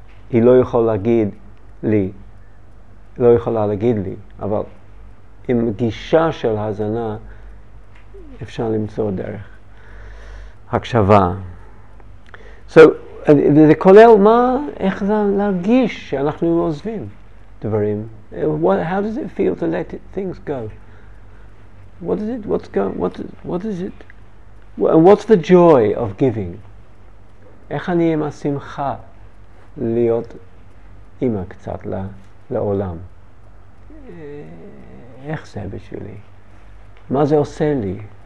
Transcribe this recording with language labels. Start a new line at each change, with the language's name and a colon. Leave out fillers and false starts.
Hebrew: היא לא יכולה להגיד לי, לא יכולה להגיד לי, אבל עם גישה של הזנה אפשר למצוא דרך. הקשבה. So, זה כולל מה, איך זה להרגיש שאנחנו עוזבים דברים.
English: What, how does it feel to let things go? What is it? What's going? What is it? And what's the joy of giving?
Hebrew: איך אני עם השמחה להיות אמא קצת לעולם? איך זה בשבילי? מה זה עושה לי?